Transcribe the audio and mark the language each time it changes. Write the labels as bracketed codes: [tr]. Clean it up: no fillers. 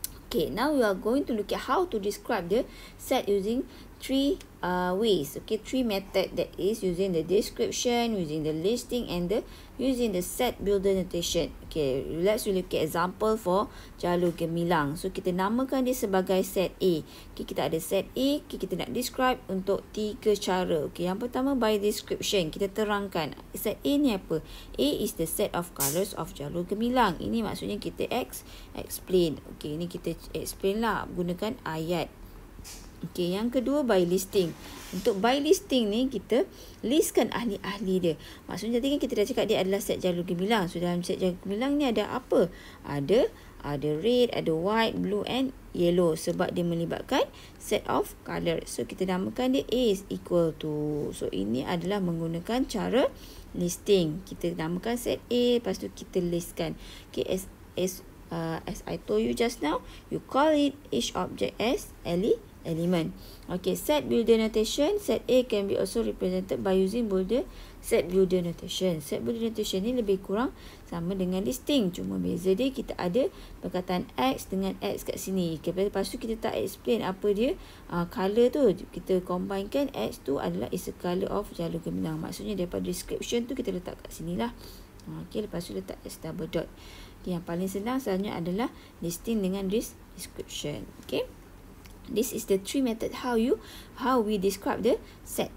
[en] Okay, now we are going to look at how to describe the set using three ways. Okay, three method, that is using the description, using the listing, and the using the set builder notation. Okay, let's look at example for jalur gemilang. [ms] So kita namakan dia sebagai set A. Okay, kita ada set A. Okay, kita nak describe untuk tiga cara. Okay, yang pertama by description, kita terangkan set A ni apa. [en] A is the set of colors of jalur gemilang. [ms] Ini maksudnya kita explain. Okay, ini kita explain lah gunakan ayat. Okay, yang kedua by listing. Untuk by listing ni, kita listkan ahli-ahli dia. Maksudnya tadi kan kita dah cakap dia adalah set jalur gemilang. So dalam set jalur gemilang ni ada apa? Ada red, ada white, blue and yellow. Sebab dia melibatkan set of color. So kita namakan dia A is equal to. So ini adalah menggunakan cara listing. Kita namakan set A, lepas tu kita listkan. [en] Okay, as I told you just now, you call it each object as element. Okay, set builder notation, set A can be also represented by using builder set builder notation. [ms] Set builder notation ni lebih kurang sama dengan listing, cuma beza dia kita ada perkataan X dengan X kat sini. Okay, lepas tu kita tak explain apa dia color tu. Kita combinekan X tu adalah is a color of jalur gemilang. Maksudnya daripada description tu kita letak kat sini lah. Okay, lepas tu letak S double dot. Okay, yang paling senang sebenarnya adalah listing dengan description. [en] Okay, this is the three method how we describe the set.